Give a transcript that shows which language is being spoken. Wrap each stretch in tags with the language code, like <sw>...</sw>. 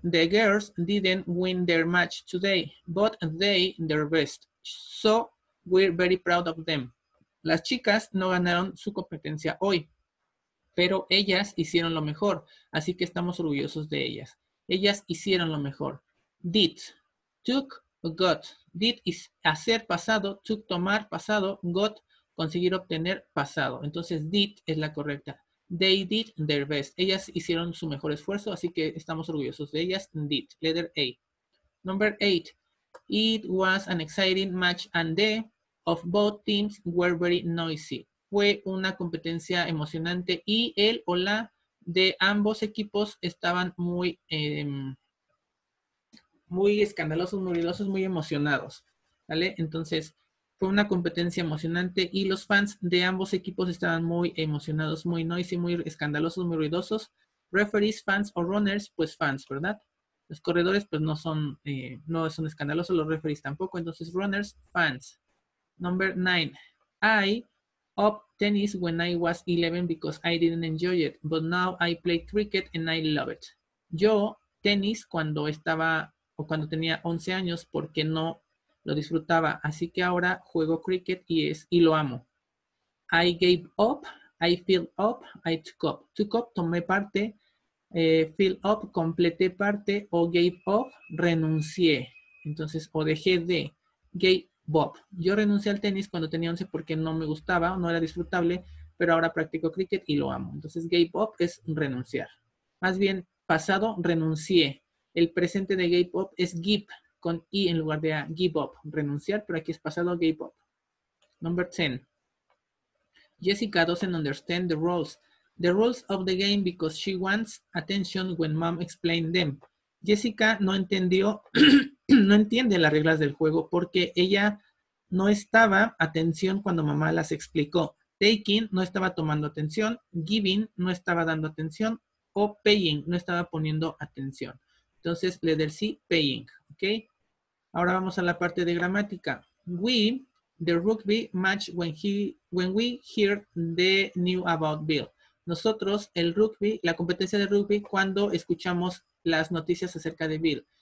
<en>The girls didn't win their match today, but they their best. So we're very proud of them.</en> <es>Las chicas no ganaron su competencia hoy, pero ellas hicieron lo mejor. Así que estamos orgullosos de ellas. Ellas hicieron lo mejor.</es> <en>Did, took, got.</en> <es>Did is hacer pasado, took tomar pasado, got conseguir obtener pasado. Entonces did es la correcta.</es> <en>They did their best.</en> <es>Ellas hicieron su mejor esfuerzo, así que estamos orgullosos de ellas.</es> <en>Did. Letter A. Number eight. It was an exciting match and the of both teams were very noisy.</en> <es>Fue una competencia emocionante y el o la de ambos equipos estaban muy, muy escandalosos, muy ruidosos, muy emocionados. ¿Vale? Entonces, Fue una competencia emocionante y los fans de ambos equipos estaban muy emocionados, muy noisy, muy escandalosos, muy ruidosos. Referees, fans o runners, pues fans, ¿verdad? Los corredores, pues no son, no son escandalosos, los referees tampoco. Entonces, runners, fans.</es> <en>Number 9. I up tennis when I was 11 because I didn't enjoy it, but now I play cricket and I love it.</en> <es>Yo, tenis cuando estaba o cuando tenía 11 años porque no lo disfrutaba, así que ahora juego cricket y lo amo.</es> <en>I gave up, I filled up, I took up. Took up,</en> <es>tomé parte,</es> <en>filled up,</en> <es>completé parte,</es> <en>o gave up,</en> <es>renuncié. Entonces, o dejé de, gave up. Yo renuncié al tenis cuando tenía 11 porque no me gustaba, no era disfrutable, pero ahora practico cricket y lo amo. Entonces,</es> <en>gave up</en> <es>es renunciar. Más bien, pasado, renuncié. El presente de gave up es give, con I en lugar de A,</es> <en>give up,</en> <es>renunciar, pero aquí es pasado, give up.</es> <en>Number 10. Jessica doesn't understand the rules. The rules of the game because she wants attention when mom explained them.</en> <es>Jessica no entendió, no entiende las reglas del juego porque ella no estaba atención cuando mamá las explicó. Taking, no estaba tomando atención. Giving, no estaba dando atención. O paying, no estaba poniendo atención. Entonces,</es> <en>letter C, paying.</en> <es>¿Ok? Ahora vamos a la parte de gramática.</es> <en>We, the rugby match when we hear the news about Bill.</en> <es>Nosotros, el rugby, la competencia de rugby, cuando escuchamos las noticias acerca de Bill.</es>